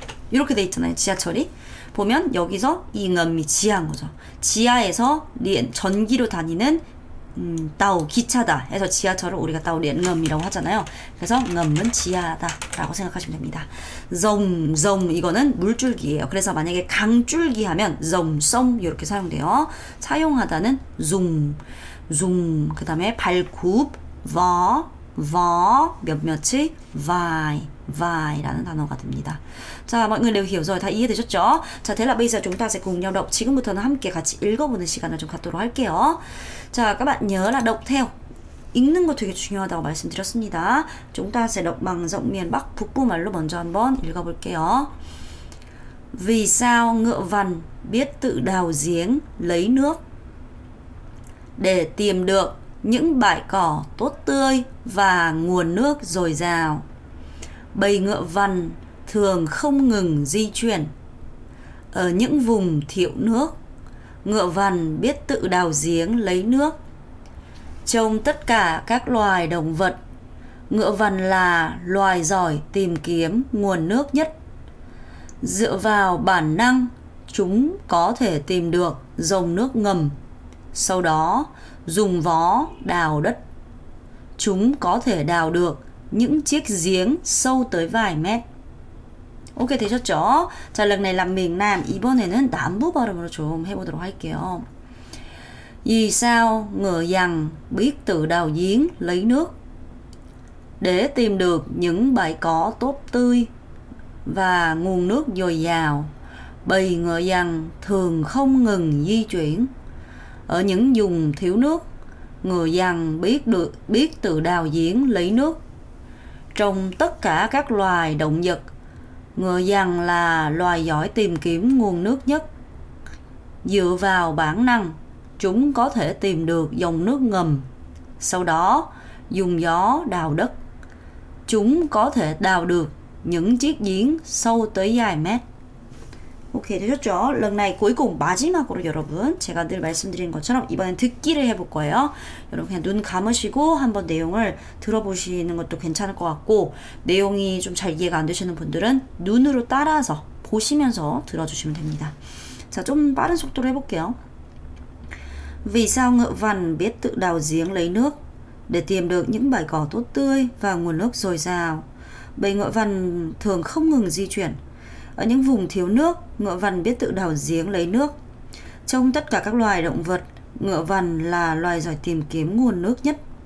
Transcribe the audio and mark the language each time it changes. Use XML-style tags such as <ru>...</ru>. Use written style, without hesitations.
<ko>이렇게 돼 있잖아요 지하철이 보면 여기서 이 ngầm이 지하인 거죠 지하에서 전기로 다니는 tàu 기차다 해서 지하철을 우리가 tàu điện ngầm이라고 하잖아요 그래서 ngầm은 지하다라고 생각하시면 됩니다 rồng 이거는 물줄기예요 그래서 만약에 강줄기 하면 rồng sông 이렇게 사용돼요 사용하다는 zoom 그 다음에 발굽 vò 몇몇이 vài라는 단어가 됩니다.</ko> <vi>자, mọi người đều hiểu rồi,</vi> <ko>다 이해되셨죠?</ko> <vi>자, thế là bây giờ chúng ta sẽ cùng nhau đọc.</vi> <ko>지금부터는 함께 같이 읽어보는 시간을 좀 갖도록 할게요.</ko> <vi>자, các bạn nhớ là đọc theo.</vi> <ko>읽는 거 되게 중요하다고 말씀드렸습니다.</ko> <vi>Chúng ta sẽ đọc bằng giọng miền Bắc</vi> <ko>북부말로 먼저 한번 읽어볼게요.</ko> <vi>Vì sao ngựa vằn biết tự đào giếng lấy nước? Để tìm được những bãi cỏ tốt tươi và nguồn nước dồi dào. Bầy ngựa vằn thường không ngừng di chuyển ở những vùng thiếu nước. Ngựa vằn biết tự đào giếng lấy nước. Trong tất cả các loài động vật, ngựa vằn là loài giỏi tìm kiếm nguồn nước nhất. Dựa vào bản năng, chúng có thể tìm được dòng nước ngầm. Sau đó, dùng vó đào đất. Chúng có thể đào được những chiếc giếng sâu tới vài mét. Ok, thấy chưa chó? Trả lời này là miền Nam.</vi> <ko>이번에는 남부 발음으로 좀 해보도록 할게요.</ko> <vi>Vì sao ngựa vằn biết tự đào giếng lấy nước? Để tìm được những bãi cỏ tốt tươi và nguồn nước dồi dào. Bầy ngựa vằn thường không ngừng di chuyển ở những vùng thiếu nước. Ngựa vằn biết tự đào giếng lấy nước. Trong tất cả các loài động vật, ngựa vằn là loài giỏi tìm kiếm nguồn nước nhất. Dựa vào bản năng, chúng có thể tìm được dòng nước ngầm. Sau đó, dùng gió đào đất. Chúng có thể đào được những chiếc giếng sâu tới vài mét.</vi> <ko>Ok, 되셨죠? 런 나이</ko> <vi>cuối cùng,</vi> <ko>마지막으로 여러분, 제가 늘 말씀드리는 것처럼 이번엔 듣기를 해볼 거예요. 여러분, 그냥 눈 감으시고 한번 내용을 들어보시는 것도 괜찮을 것 같고, 내용이 좀잘 이해가 안 되시는 분들은 눈으로 따라서 보시면서 들어주시면 됩니다. 자, 좀 빠른 속도로 해볼게요.</ko> <vi>Vì sao ngựa vằn biết tự đào giếng lấy nước? Để tìm được những bãi cỏ tốt tươi và nguồn nước dồi dào. Bầy ngựa vằn thường không ngừng di chuyển ở những vùng thiếu nước, ngựa vằn biết tự đào giếng lấy nước. Trong tất cả các loài động vật, ngựa vằn là loài giỏi tìm kiếm nguồn nước nhất.</vi>